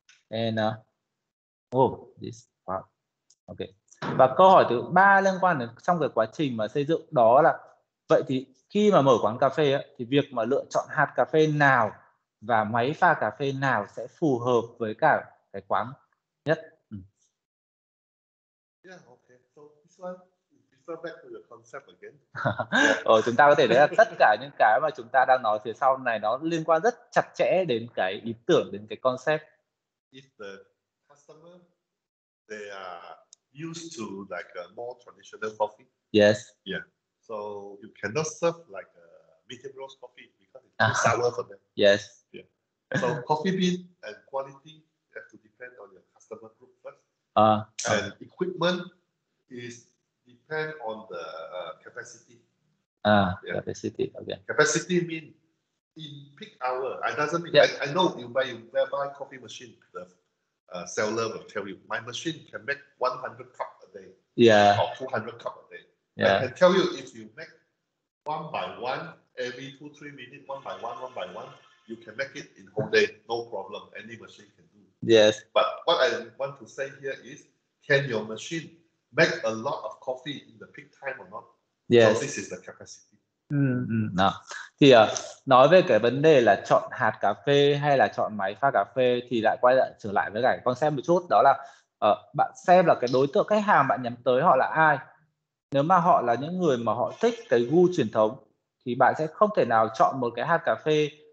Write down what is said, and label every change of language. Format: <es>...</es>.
<en>And this part. Ok.</en> <vi>Và câu hỏi thứ ba liên quan đến trong cái quá trình mà xây dựng đó là vậy thì khi mà mở quán cà phê ấy, thì việc mà lựa chọn hạt cà phê nào và máy pha cà phê nào sẽ phù hợp với cả cái quán nhất.</vi> <en>Yeah, okay. So this one, refer back to the concept again.</en> <vi>chúng ta có thể thấy là tất cả những cái mà chúng ta đang nói phía sau này nó liên quan rất chặt chẽ đến cái ý tưởng, đến cái concept.</vi> <en>If the customer they are used to like a more traditional coffee. Yes. Yeah. So you cannot serve like a medium roast coffee because it's too sour for them. Yes. So coffee bean and quality have to depend on your customer group first. And equipment is depend on the capacity. Capacity. Okay. Capacity mean in peak hour. It doesn't mean. Yeah. I know you buy coffee machine. The seller will tell you my machine can make 100 cup a day. Yeah. Or 200 cup a day. Yeah. I can tell you if you make one by one every 2-3 minutes, one by one, one by one. You can make it in whole day, no problem. Any machine can do. Yes. But what I want to say here is, can your machine make a lot of coffee in the peak time or not? Yes. So this is the capacity.</en> <vi>Thì nói về cái vấn đề là chọn hạt cà phê hay là chọn máy pha cà phê thì lại quay lại trở lại với cái concept một chút, đó là bạn xem là cái đối tượng khách hàng bạn nhắm tới họ là ai. Nếu mà họ là những người mà họ thích cái gu truyền thống thì bạn sẽ không thể nào chọn một cái hạt cà phê</vi>